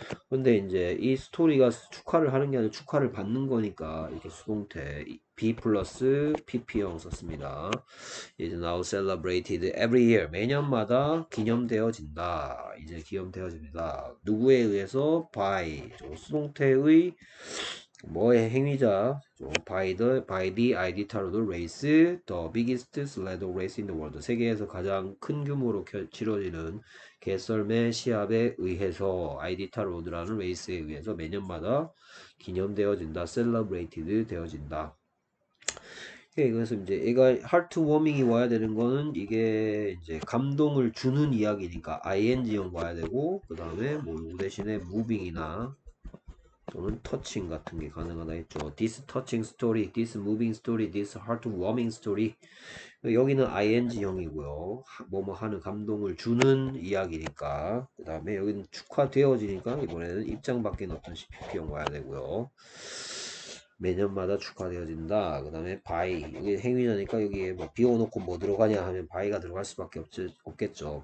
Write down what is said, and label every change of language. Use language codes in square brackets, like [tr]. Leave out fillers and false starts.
[ko] 근데 이제 이 스토리가 축하를 하는 게 아니라 축하를 받는 거니까 이렇게 수동태 be 플러스 pp형 썼습니다. [en] is now celebrated every year. [ko] 매년마다 기념되어진다. 이제 기념되어집니다. 누구에 의해서? by 수동태의 뭐의 행위자? [en] by the Iditarod race, the biggest sled race in the world. [ko] 세계에서 가장 큰 규모로 치러지는 개썰매 시합에 의해서, Iditarod라는 레이스에 의해서 매년마다 기념되어진다, celebrated 되어진다. 네, 그래서 이제 애가 하트워밍이 와야 되는 거는 이게 이제 감동을 주는 이야기니까 ING형 와야 되고, 그 다음에 뭐 대신에 무빙이나 또는 터칭 같은 게 가능하다 했죠. [en] This touching story, this moving story, this heartwarming story. [ko] 여기는 ING형이고요. 뭐뭐 하는 감동을 주는 이야기니까. 그 다음에 여기는 축하되어지니까 이번에는 입장밖에 없던 CPP형 와야 되고요. 매년마다 축하되어진다. 그 다음에 by. 이게 행위자니까 여기에 뭐 비워놓고 뭐 들어가냐 하면 by가 들어갈 수밖에 없겠죠.